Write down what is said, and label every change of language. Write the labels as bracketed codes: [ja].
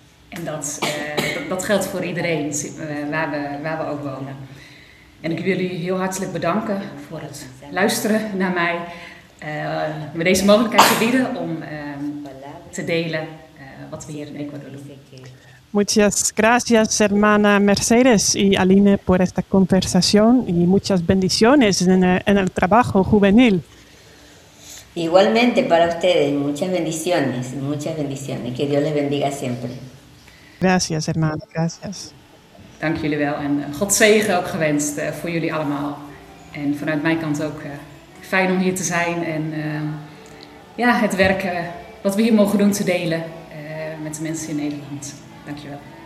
[nl] En dat geldt voor iedereen waar we ook wonen. En ik wil jullie heel hartelijk bedanken voor het luisteren naar mij. Met deze mogelijkheid te bieden om te delen wat we hier in Ecuador doen. [es] Muchas gracias, hermana Mercedes y Aline, por esta conversación y muchas bendiciones en el trabajo juvenil. Igualmente para ustedes, muchas bendiciones, que Dios les bendiga siempre. Gracias, hermano. Gracias. [nl] Dank jullie wel en God zegen ook gewenst voor jullie allemaal. En vanuit mijn kant ook fijn om hier te zijn en ja, het werk wat we hier mogen doen te delen met de mensen in Nederland. Dank je wel.